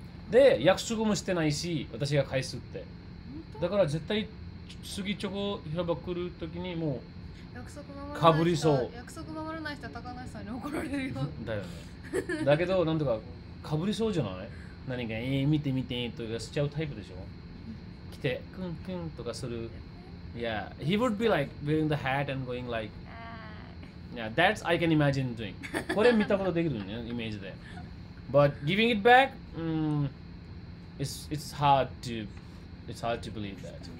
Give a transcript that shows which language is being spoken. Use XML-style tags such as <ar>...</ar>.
<ja>で、約束もしてないし、私が返すって。だから絶対、次チョコ広場来るときにもう、かぶりそう。約束守らない人は高梨さんに怒られるよ。だよね。だけど、なんとか、かぶりそうじゃない？何か、見て見て、とかしちゃうタイプでしょ？来て、クンクンとかする。</ja> <en>Yeah, he would be like wearing the hat and going like,Yeah, that's I can imagine doing.</en> <ja>これ見たことできるね、イメージで。</ja> <en>But giving it back, it's hard to believe that.</en>